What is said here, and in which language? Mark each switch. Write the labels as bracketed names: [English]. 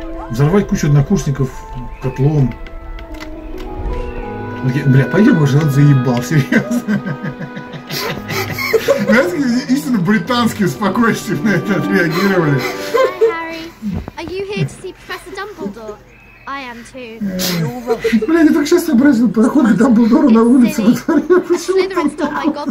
[Russian] Взорвать кучу однокурсников котлом. Бля, пойдем, уже он заебал, серьезно. Знаете, истинно британские спокойствие на это отреагировали. [English] Are you here to see Professor Dumbledore? I am too. [Russian] Блин, я так сейчас сообразил, проходит Дамблдору на улице во дворе. Почему там Dumbledore?